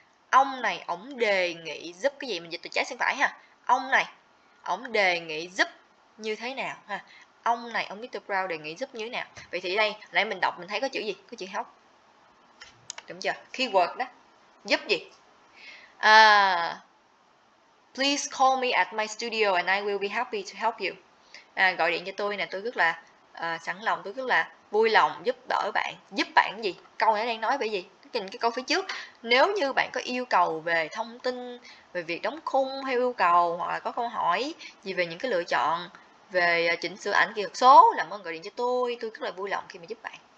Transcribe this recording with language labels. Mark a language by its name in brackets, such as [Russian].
[Vietnamese] Ông này ổng đề nghị giúp cái gì, mình dịch từ trái sang phải ha. Ông này ổng đề nghị giúp như thế nào ha, ông này ông Mr. Brown đề nghị giúp như thế nào. Vậy thì đây nãy mình đọc mình thấy có chữ gì, có chữ help đúng chưa, keyword đó, giúp gì. [English] Please call me at my studio and I will be happy to help you. [Vietnamese] Gọi điện cho tôi nè, tôi rất là sẵn lòng, tôi rất là vui lòng giúp đỡ bạn. Giúp bạn gì? Câu này đang nói về gì? Nhìn cái câu phía trước, nếu như bạn có yêu cầu về thông tin về việc đóng khung hay yêu cầu hoặc là có câu hỏi gì về những cái lựa chọn về chỉnh sửa ảnh kỹ thuật số, làm ơn gọi điện cho tôi rất là vui lòng khi mà giúp bạn.